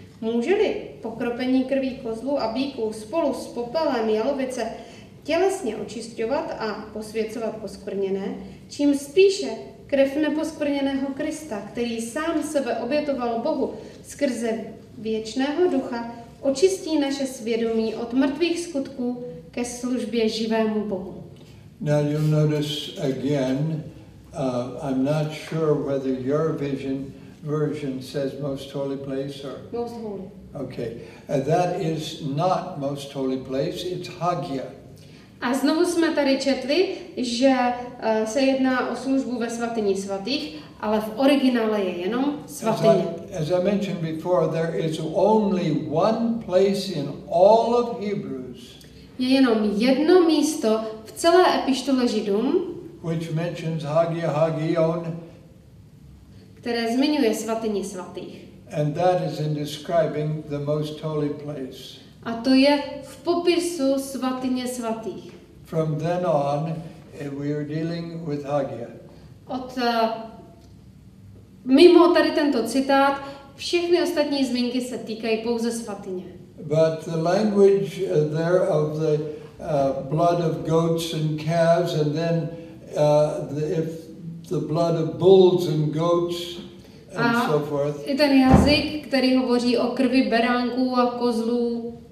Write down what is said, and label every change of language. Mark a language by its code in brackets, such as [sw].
[cs] Může-li pokropení krví kozlů a býků spolu s popelem jalovice tělesně očisťovat a posvěcovat poskvrněné, čím spíše krev neposkvrněného Krista, který sám sebe obětoval Bohu skrze věčného ducha, očistí naše svědomí od mrtvých skutků ke službě živému Bohu. [en] Now you'll notice again, I'm not sure whether your version says most holy place or... Most holy. Okay, that is not most holy place, it's Hagia. [cs] A znovu jsme tady četli, že se jedná o službu ve svatyni svatých, ale v originále je jenom svatyně. [en] As I mentioned before, there is only one place in all of Hebrews. [cs] Je jenom jedno místo v celé epištole Židům, [en] which mentions Hagia Hagion, [cs] které zmiňuje svatyni svatých. [en] And that is in describing the most holy place. [cs] A to je v popisu svatyně svatých. [en] From then on, we are dealing with Hagia. [cs] Od mimo tady tento citát, všechny ostatní zmínky se týkají pouze svatyně. [en] But the language there of the blood of goats and calves, and then if the blood of bulls and goats and so forth. [cs] I ten jazyk, který hovoří o krvi beránků a kozlů,